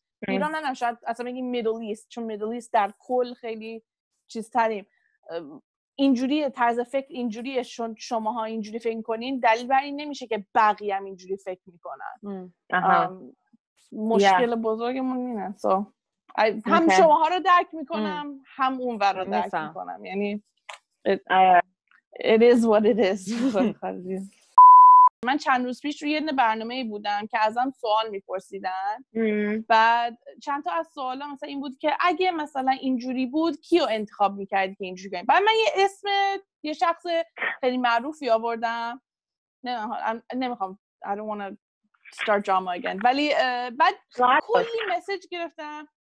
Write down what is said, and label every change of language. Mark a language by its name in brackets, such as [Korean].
[Persian] ایران هم شاید اصلا میگیم میدل ایست، چون میدل ایست در کل خیلی چیز تریم، اینجوریه طرز فکر، اینجوریه. چون شماها اینجوری فکر کنین، دلیل بر این نمیشه که بقیه هم اینجوری فکر میکنن. مشکل بزرگمون اینه. هم شماها رو درک میکنم، هم اون ور رو درک میکنم. [English] یعنی it is what it is. [Persian] من چند روز پیش روی یه برنامه بودم که ازم سوال میپرسیدن، بعد چند تا از سوال ها مثلا این بود که اگه مثلا اینجوری بود کیو انتخاب میکردی که اینجوری کنی؟ بعد من یه اسم یه شخص خیلی معروفی آوردم، نمیخوام [English] I don't wanna start drama again، [Persian] ولی بعد کلی مسیج گرفتم.